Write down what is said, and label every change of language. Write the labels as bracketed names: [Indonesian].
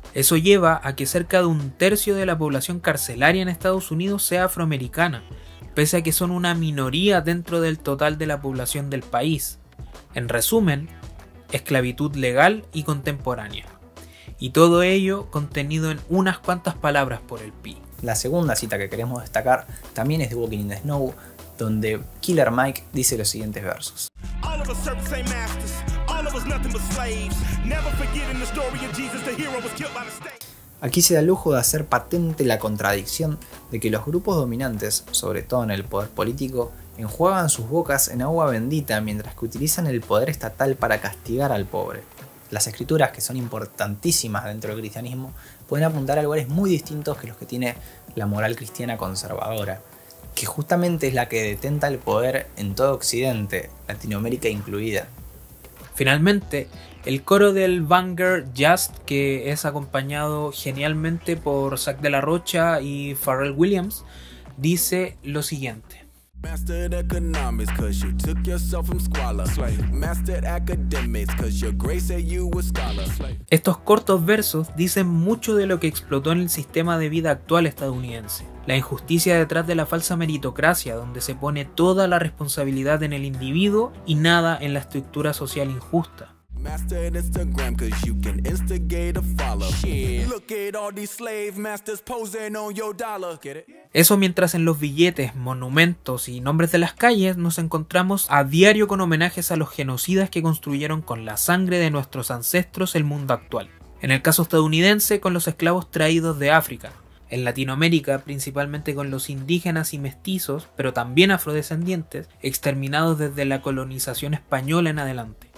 [Spanish] Eso lleva a que cerca de un tercio de la población carcelaria en Estados Unidos sea afroamericana, pese a que son una minoría dentro del total de la población del país. En resumen, esclavitud legal y contemporánea. Y todo ello contenido en unas cuantas palabras por el Pi. La segunda cita que queremos destacar también es de Walking in the Snow, donde Killer Mike dice los siguientes versos. [English] All of us serve the same masters. All of us nothing but slaves. Never forgetting the story of Jesus, the hero was killed by the state. [Spanish] Aquí se da el lujo de hacer patente la contradicción de que los grupos dominantes, sobre todo en el poder político, enjuagan sus bocas en agua bendita mientras que utilizan el poder estatal para castigar al pobre. Las escrituras, que son importantísimas dentro del cristianismo, pueden apuntar a lugares muy distintos que los que tiene la moral cristiana conservadora, que justamente es la que detenta el poder en todo Occidente, Latinoamérica incluida. Finalmente, el coro del Banger Just, que es acompañado genialmente por Zack de la Rocha y Pharrell Williams, dice lo siguiente. [English] Mastered economics, cause you took yourself from squalor. Mastered academics, cause your grace said you were scholar. [Spanish] Estos cortos versos dicen mucho de lo que explotó en el sistema de vida actual estadounidense. La injusticia detrás de la falsa meritocracia, donde se pone toda la responsabilidad en el individuo y nada en la estructura social injusta. [English] Mastered Instagram, cause you can instigate a follow. Shit. Look at all these slave masters posing on your dollar. Get it? [Spanish] Eso mientras en los billetes, monumentos y nombres de las calles nos encontramos a diario con homenajes a los genocidas que construyeron con la sangre de nuestros ancestros el mundo actual. En el caso estadounidense, con los esclavos traídos de África. En Latinoamérica, principalmente con los indígenas y mestizos, pero también afrodescendientes, exterminados desde la colonización española en adelante.